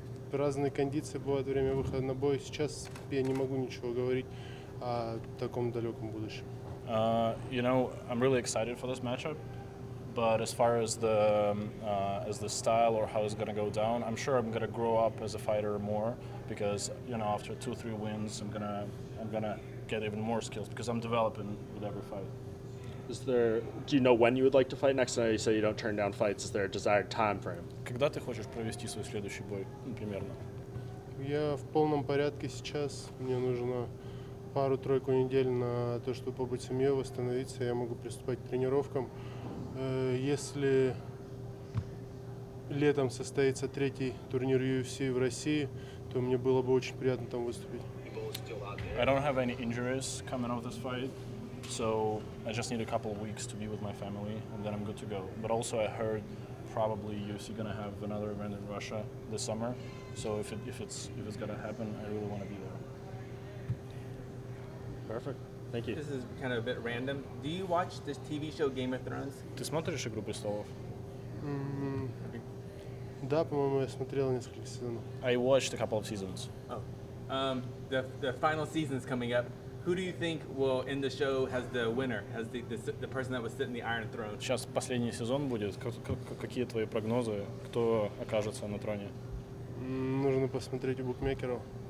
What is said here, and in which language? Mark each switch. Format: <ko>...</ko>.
<ru>Разные кондиции бывают время выхода на бой. Сейчас я не могу ничего говорить о таком далеком будущем.</ru> <en>You know, I'm really excited for this matchup, but as far as the style or how it's gonna go down, I'm sure I'm gonna grow up as a fighter more, because, you know, after 2-3 wins, I'm gonna get even more skills, because I'm developing with every fight. Do you know when you would like to fight next? I know you say you don't turn down fights. Is there a desired time frame?</en> <ru>Когда ты хочешь провести свой следующий бой, примерно? Я в полном порядке сейчас. Мне нужно пару-тройку недель на то, чтобы побыть семьей, восстановиться. Я могу приступать к тренировкам. Если летом состоится третий турнир UFC в России, то мне было бы очень приятно там выступить.</ru> <en>I don't have any injuries coming out of this fight. So I just need a couple of weeks to be with my family, and then I'm good to go. But also, I heard probably UFC gonna have another event in Russia this summer. So if it's gonna happen, I really want to be there. Perfect. Thank you. This is kind of a bit random. Do you watch this TV show Game of Thrones?</en> <ru>Ты смотришь «Игру престолов»? Да, по-моему, я смотрел несколько сезонов.</ru> <en>I watched a couple of seasons. The final season is coming up. Who do you think will end the show as the winner, as the person that was sitting in the Iron Throne?</en> <ru>Сейчас последний сезон будет. Какие твои прогнозы? Кто окажется на троне? Нужно посмотреть у букмекеров.</ru>